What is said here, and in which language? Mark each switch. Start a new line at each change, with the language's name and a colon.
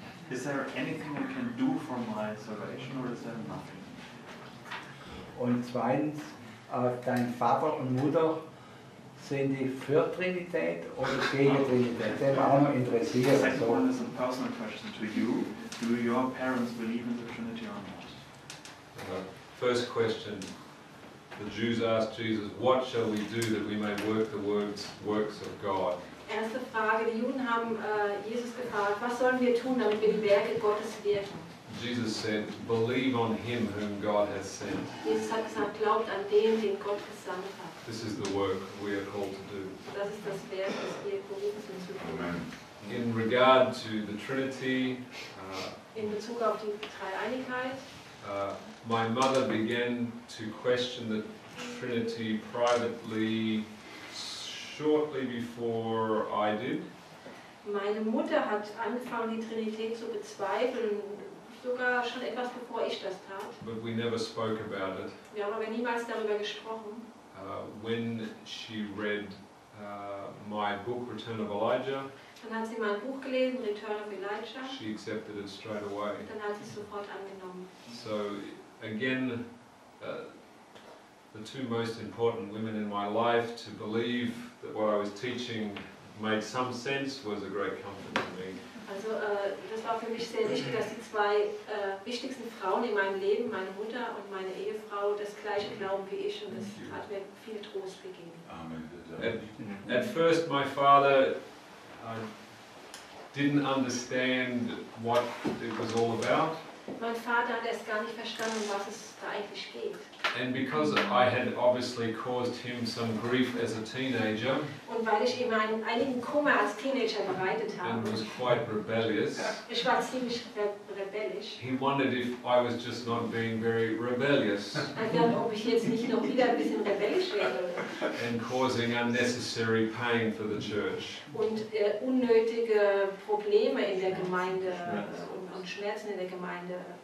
English: Is there anything I can do for my salvation or is there nothing?
German: Und zweitens, dein Vater und Mutter, sind die für Trinität oder gegen Trinität? Das wäre auch noch interessiert.
English: The second one is a personal question to you. Do your parents believe in the Trinity or not? First question. The Jews asked Jesus, what shall we do that we may work the works of God?
German: Erste Frage, die Juden haben Jesus gefragt, was sollen wir tun, damit wir die Werke Gottes wirken?
English: Jesus said, believe on him whom God has sent.
German: Jesus hat gesagt, glaubt an den, den Gott gesandt hat.
English: This is the work we are called to do.
German: Das ist das Werk, das wir berufen sind zu tun.
English: Amen. In regard to the Trinity,
German: in Bezug auf die Dreieinigkeit,
English: My mother began to question the Trinity privately shortly before I did.
German: Meine Mutter hat angefangen, die Trinität zu bezweifeln, sogar schon etwas bevor ich das tat.
English: But we never spoke about it.
German: Wir haben aber niemals darüber gesprochen.
English: When she read my book, Return of Elijah,
German: dann hat sie mein Buch gelesen, Return of Elijah.
English: She accepted it straight away.
German: Dann hat sie es sofort angenommen.
English: So, again, the two most important women in my life to believe that what I was teaching made some sense was a great comfort to me.
German: Also das war für mich sehr wichtig, dass die zwei wichtigsten Frauen in meinem Leben, meine Mutter und meine Ehefrau, das gleiche glauben wie ich, und das hat mir viel Trost gegeben. Amen.
English: At first my father didn't understand what it was all about.
German: Mein Vater hat erst gar nicht verstanden, was es da eigentlich geht.
English: And because I had obviously caused him some grief as a teenager,
German: und weil ich ihm einigen Kummer als Teenager bereitet habe,
English: and was quite rebellious,
German: ich war ziemlich rebellisch,
English: he wondered if I was just not being very rebellious,
German: ob ich jetzt nicht noch wieder ein bisschen rebellisch wäre,
English: and causing unnecessary pain for the church,
German: und unnötige Probleme in der Gemeinde und Schmerzen in der Gemeinde.